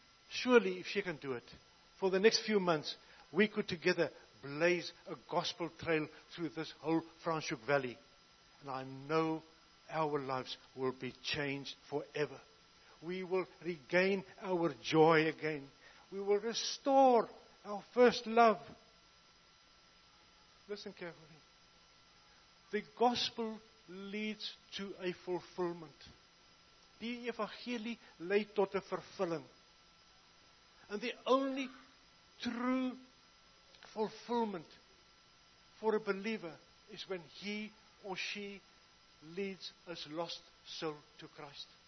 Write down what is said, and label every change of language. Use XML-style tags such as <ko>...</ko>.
<en>Surely, if she can do it, for the next few months, we could together blaze a gospel trail through this whole Franschhoek Valley. And I know our lives will be changed forever. We will regain our joy again. We will restore our first love. Listen carefully. The gospel leads to a fulfillment.</en> <af>Die evangelie lei tot 'n vervulling.</af> <en>And the only true fulfillment for a believer is when he or she leads his lost soul to Christ.</en>